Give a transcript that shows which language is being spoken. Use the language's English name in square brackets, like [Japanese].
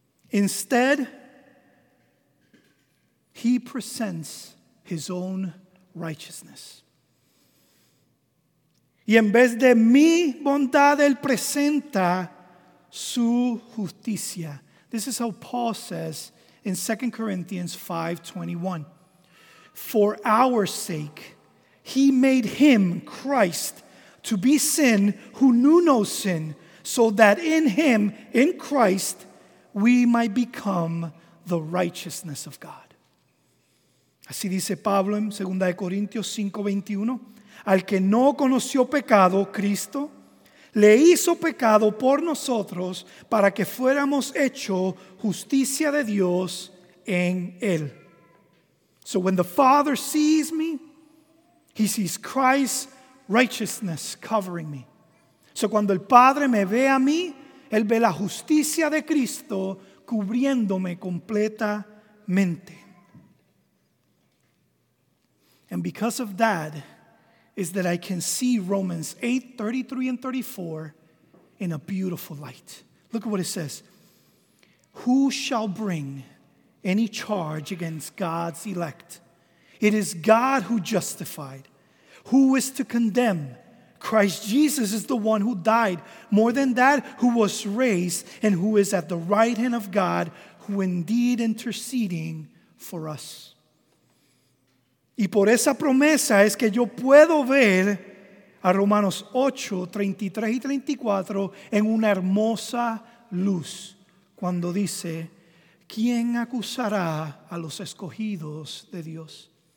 [English] Instead, he presents his own righteousness. [Spanish] Y en vez de mi bondad, él presenta su justicia. [English] This is how Paul says in 2 Corinthians 5:21. For our sake, he made him, Christ, to be sin who knew no sin, so that in him, in Christ, we might become the righteousness of God. [Spanish] Así dice Pablo en 2 Corintios 5:21. Al que no conoció pecado, Cristo, le hizo pecado por nosotros para que fuéramos hecho justicia de Dios en él. [English] So when the Father sees me, he sees Christ's righteousness covering me. [Spanish] So cuando el Padre me ve a mí, él ve la justicia de Cristo cubriéndome completamente. [English] And because of that, is that I can see Romans 8, 33 and 34 in a beautiful light. Look at what it says. Who shall bring any charge against God's elect? It is God who justified. Who is to condemn? Christ Jesus is the one who died. More than that, who was raised and who is at the right hand of God, who indeed interceding for us. [Spanish] Y por esa promesa es que yo puedo ver a Romanos 8, 33 y 34 en una hermosa luz. Cuando dice, ¿quién acusará a los escogidos de Dios?